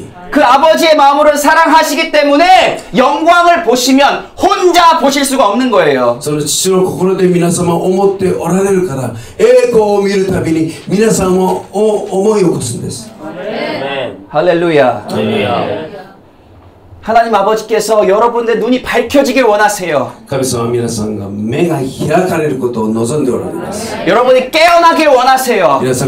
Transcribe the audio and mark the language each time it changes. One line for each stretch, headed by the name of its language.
Korean: 그 아버지의 마음으로 사랑하시기 때문에 영광을 보시면 혼자 보실 수가 없는 거예요. 그래서
Japanese: 父の心で皆様思っておられるから栄光を見るたびに皆様を思い起こすんです
Korean: 할렐루야. 할렐루야. 하나님 아버지께서 여러분들 눈이 밝혀지길 원하세요. 여러분이 깨어나길 원하세요.